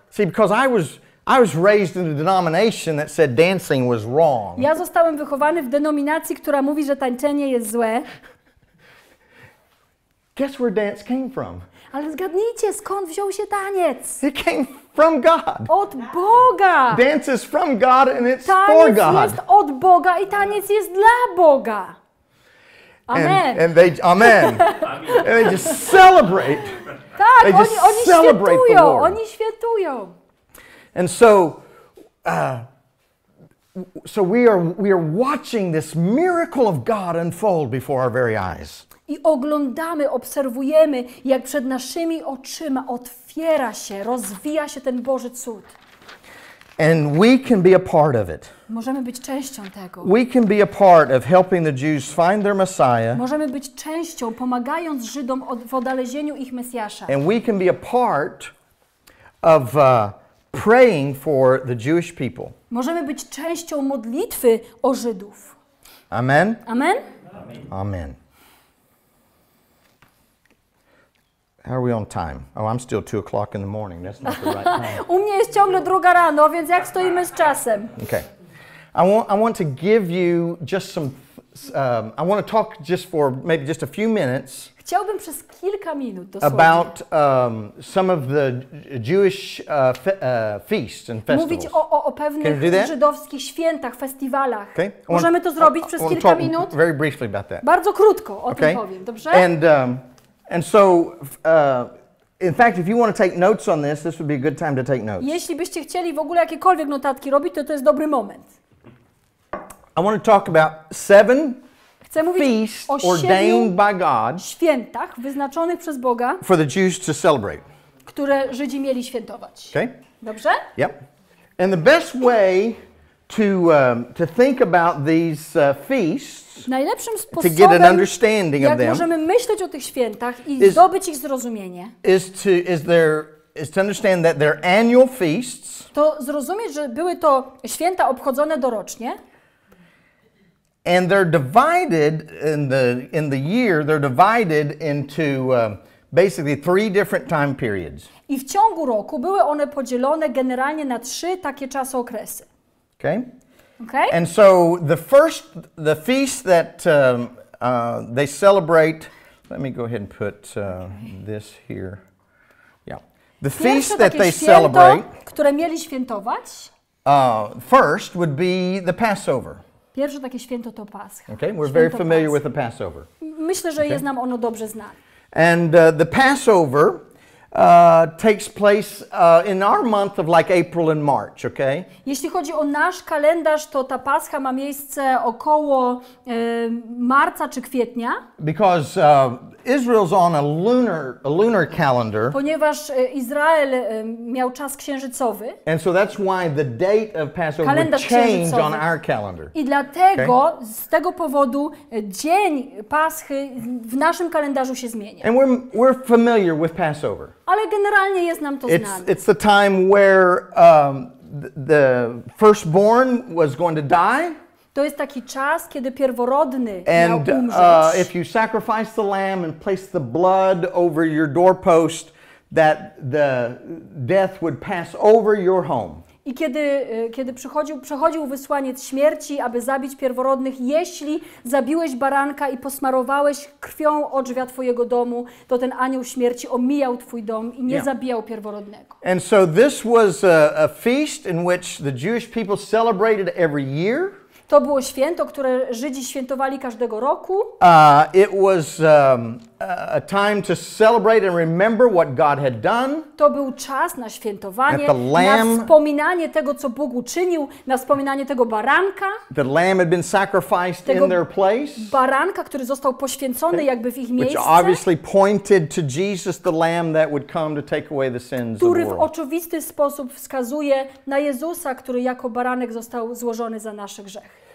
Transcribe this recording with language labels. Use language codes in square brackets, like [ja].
[en] See, because I was raised in a denomination that said dancing was wrong. [pl] Ja zostałem wychowany w denominacji, która mówi, że tańczenie jest złe. [en] Guess where dance came from? [pl] Ale zgadnijcie, skąd wziął się taniec? [en] It came from God. [pl] Od Boga. [en] Dance is from God and it's [pl] taniec [en] for God. [pl] Taniec jest od Boga i taniec jest dla Boga. Amen. Amen. [en] And they just celebrate. [pl] Tak, [en] they just [pl] oni celebrate świętują. [en] The Lord. [pl] Oni świętują. [en] And so, we are watching this miracle of God unfold before our very eyes. [pl] I oglądamy, obserwujemy, jak przed naszymi oczyma otwiera się, rozwija się ten Boży cud. [en] And we can be a part of it. [pl] Możemy być częścią tego. [en] We can be a part of helping the Jews find their Messiah. [pl] Możemy być częścią, pomagając Żydom w odnalezieniu ich Mesjasza. [en] And we can be a part of praying for the Jewish people. [pl] Możemy być częścią modlitwy o Żydów. Amen. Amen. Amen. [en] How are we on time? Oh, I'm still 2 o'clock in the morning. That's not the right time. [pl] U mnie jest ciągle druga rano, więc jak stoimy z czasem? [en] Okay. I want to give you just some. I want to talk just for maybe just a few minutes. [pl] Chciałbym przez kilka minut dosłownie. [en] About some of the Jewish feasts and festivals. [pl] Mówić o pewnych żydowskich świętach, festiwalach. Okay. Możemy to zrobić przez kilka [en] talk [pl] minut? [en] Very briefly about that. [pl] Bardzo krótko o okay. tym powiem, dobrze? [en] And so, in fact, if you want to take notes on this, this would be a good time to take notes. [pl] Jeśli byście chcieli w ogóle jakiekolwiek notatki robić, to jest dobry moment. [en] I want to talk about seven feasts ordained by God. [pl] Świętach wyznaczonych przez Boga. [en] For the Jews to celebrate. [pl] Które Żydzi mieli świętować. [en] Okay. [pl] Dobrze? [en] Yep. And the best way to think about these feasts. [pl] Najlepszym sposobem, [en] to get an understanding [pl] jak [en] of them, [pl] możemy myśleć o tych świętach i zdobyć ich zrozumienie, [en] is to understand that they're annual feasts. [pl] To zrozumieć, że były to święta obchodzone dorocznie. [en] And they're divided in the year. They're divided into basically three different time periods. [pl] I w ciągu roku były one podzielone generalnie na trzy takie czasookresy. [en] Okay. Okay. And so the feast that they celebrate, let me go ahead and put this here. Yeah. The feast that they celebrate, [pl] które mieli świętować, [en] first would be the Passover. [pl] Pierwsze takie święto to Pascha. [en] Okay, we're very familiar with the Passover. [pl] Myślę, że jest nam ono dobrze znane. [en] And the Passover takes place in our month of like April and March, okay? [pl] Jeśli chodzi o nasz kalendarz, to ta Pascha ma miejsce około marca czy kwietnia. [en] Because Israel's on a lunar calendar. [pl] Ponieważ Izrael miał czas księżycowy. [en] And so that's why the date of Passover would change on our calendar. [pl] I dlatego z tego powodu dzień Paschy w naszym kalendarzu się zmienia. [en] And we're familiar with Passover. [pl] Ale generalnie jest nam to znane. [en] It's the time where the firstborn was going to die. [pl] To jest taki czas, kiedy pierworodny miał umrzeć. [en] And if you sacrifice the lamb and place the blood over your doorpost, that the death would pass over your home. [pl] I kiedy przychodził wysłaniec śmierci, aby zabić pierworodnych, jeśli zabiłeś baranka i posmarowałeś krwią od drzwi twojego domu, to ten anioł śmierci omijał twój dom i nie zabijał pierworodnego. [en] And so this was a feast in which the Jewish people celebrated every year. [pl] To było święto, które Żydzi świętowali każdego roku. [en] It was a time to celebrate and remember what God had done. [pl] To był czas na świętowanie, na wspominanie tego, co Bóg uczynił, na wspominanie tego baranka. [en] The lamb had been sacrificed in their place. [pl] Baranka, który został poświęcony jakby w ich miejsce. [en] Which obviously pointed to Jesus, the lamb that would come to take away the sins of the [pl] world. Który w oczywisty sposób wskazuje na Jezusa, który jako baranek został złożony za nasze grzechy.